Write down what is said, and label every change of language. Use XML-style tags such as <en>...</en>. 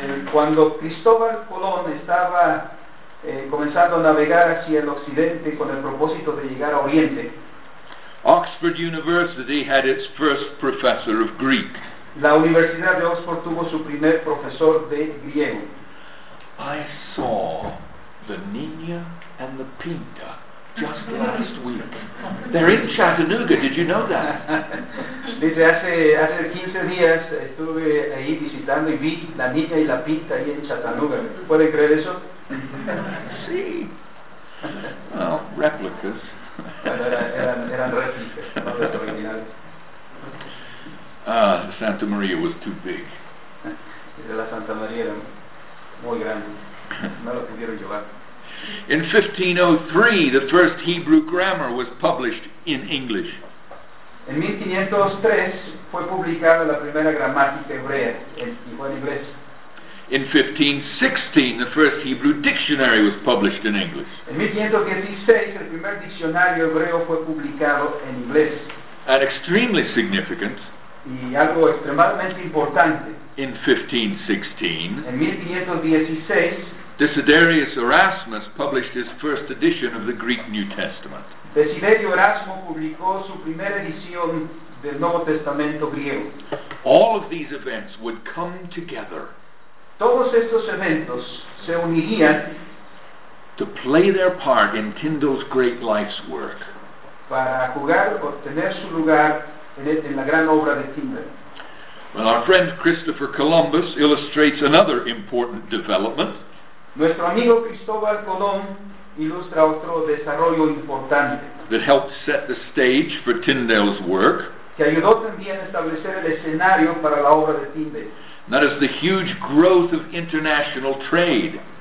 <es>cuando Cristóbal Colón estaba comenzando a navegar hacia el occidente con el propósito de llegar a oriente,</es> <en>Oxford University had its first professor of Greek.</en> <es>La Universidad de Oxford tuvo su primer profesor de griego.</es> <en>I saw the Niña and the Pinta just last week. They're in Chattanooga. Did you know that?</en> <es>Dice, hace 15 días estuve ahí visitando y vi la Niña y la Pinta ahí en Chattanooga. ¿Pueden creer eso? Sí.</es> <en>Well, replicas.</en> <es>Eran réplicas, no las originales.</es> <en>Santa Maria was too big.</en> <es>Dice, la Santa Maria era muy grande. No la pudieron llevar.</es> <en>In 1503, the first Hebrew grammar was published in English.</en> <es>En 1503 fue publicada la primera gramática hebrea en inglés.</es> <en>In 1516, the first Hebrew dictionary was published in English.</en> <es>En 1516, el primer diccionario hebreo fue publicado en inglés.</es> <en>And extremely significant.</en> <es>Y algo extremadamente importante.</es> <en>In 1516.</en> <es>En 1516.</es> <en>Desiderius Erasmus published his first edition of the Greek New Testament.</en> <es>Desiderio Erasmo publicó su primera edición del Nuevo Testamento griego.</es> <en>All of these events would come together.</en> <es>Todos estos eventos se unirían</es> <en>to play their part in Tyndale's great life's work.</en> <es>Para jugar o tener su lugar en la gran obra de Tyndale.</es> <en>Well, our friend Christopher Columbus illustrates another important development.</en> <es>Nuestro amigo Cristóbal Colón ilustra otro desarrollo importante</es> <en>that helped set the stage for Tyndale's work,</en> <es>que ayudó también a establecer el escenario para la obra de Tyndale.</es> <en>That is the huge growth of international trade.</en>